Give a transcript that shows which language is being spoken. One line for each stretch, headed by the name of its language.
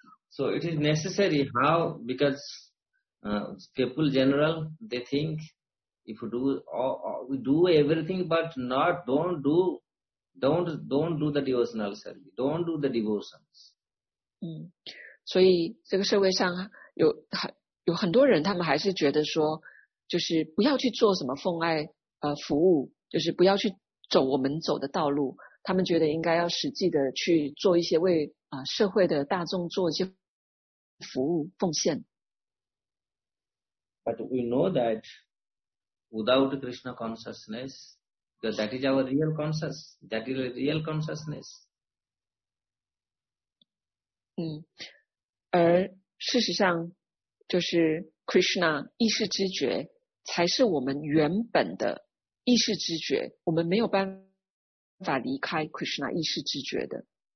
English: So it is necessary how, because people general, they think if we do everything but not, don't do the devotional service, don't do the devotions.
Chinese: 所以这个社会上有很多人他们还是觉得说就是不要去做什么奉爱服务，就是不要去走我们走的道路，他们觉得应该要实际的去做一些为社会的大众做一些服务奉献。
English: But we know that without Krishna consciousness, because that is our real conscious, that is real consciousness.
Chinese: 而事实上就是 Krishna 意识知觉才是我们原本的意识知觉，我们没有办法法离开 Krishna 意识知觉的。